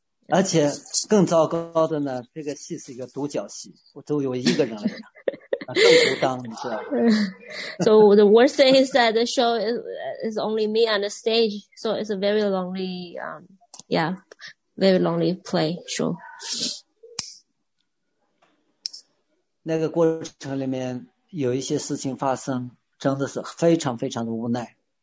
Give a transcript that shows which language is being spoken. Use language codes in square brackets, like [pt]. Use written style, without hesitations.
[zh] 而且更糟糕的呢，这个戏是一个独角戏，我只有一个人来演，更孤单，你知道吗？ [en] So the worst thing is that the show is only me on the stage, so it's a very lonely, very lonely play show. [zh] 那个过程里面有一些事情发生，真的是非常非常的无奈。